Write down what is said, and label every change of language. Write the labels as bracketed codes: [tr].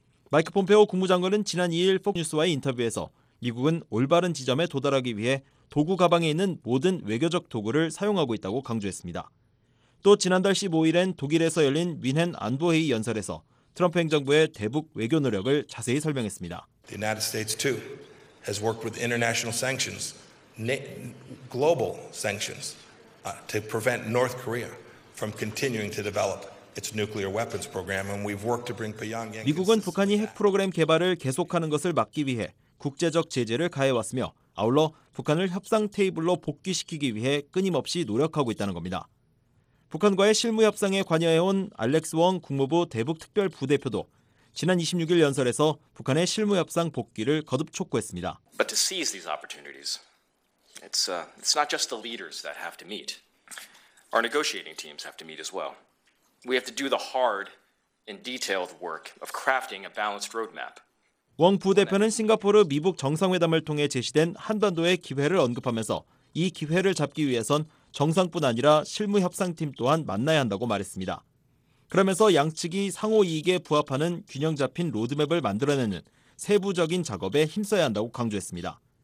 [ko] 마이크 폼페오 국무장관은 지난 2일 폭스뉴스와의 인터뷰에서 미국은 올바른 지점에 도달하기 위해 도구 가방에 있는 모든 외교적 도구를 사용하고 있다고 강조했습니다. 또 지난달 15일엔 독일에서 열린 윈헨 안보회의 연설에서 트럼프 행정부의 대북 외교 노력을 자세히 설명했습니다. [en] The United States too has worked with international sanctions, global sanctions to prevent North Korea from continuing to develop its nuclear weapons program and we've worked to bring Pyongyang [ko] 미국은 북한이 핵 프로그램 개발을 계속하는 것을 막기 위해 국제적 제재를 가해 왔으며 아울러 북한을 협상 테이블로 복귀시키기 위해 끊임없이 노력하고 있다는 겁니다. 북한과의 실무 협상에 관여해온 알렉스 원 국무부 대북특별부대표도 지난 26일 연설에서 북한의 실무 협상 복귀를 거듭 촉구했습니다. [en] But to seize these opportunities, it's not just the leaders that have to meet. Our negotiating teams have to meet as well. We have to do the hard and detailed work of crafting a balanced roadmap. [ko] 원 부대표는 싱가포르 미북 정상회담을 통해 제시된 한반도의 기회를 언급하면서 이 기회를 잡기 위해선 정상뿐 아니라 실무 협상팀 또한 만나야 한다고 말했습니다. 그러면서 양측이 상호 이익에 부합하는 균형 잡힌 로드맵을 만들어내는 세부적인 작업에 힘써야 한다고 강조했습니다.